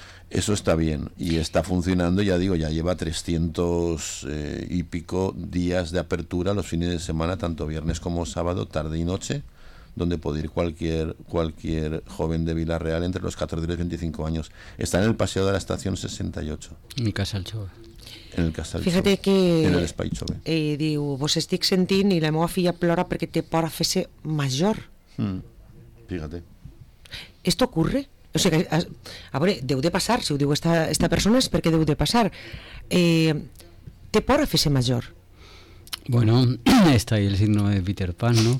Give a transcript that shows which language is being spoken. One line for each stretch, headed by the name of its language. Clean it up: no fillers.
Spanish: Eso está bien y está funcionando, ya digo, ya lleva 300 y pico días de apertura los fines de semana, tanto viernes como sábado, tarde y noche, donde puede ir cualquier joven de Villarreal entre los 14 y los 25 años. Está en el paseo de la estación 68. Mi casa al Chove. En el Castell. Fíjate que en el Espai Jove.
Catalan: Diu, vos estic sentint i la meva filla plora perquè té por a fer-se major.
Spanish: Fíjate. Esto ocurre.
Catalan: O sea, a veure, deu de passar, si ho diu esta persona és perquè deu de passar. Té por a fer-se major.
Spanish: Bueno, está ahí el signo de Peter Pan, ¿no?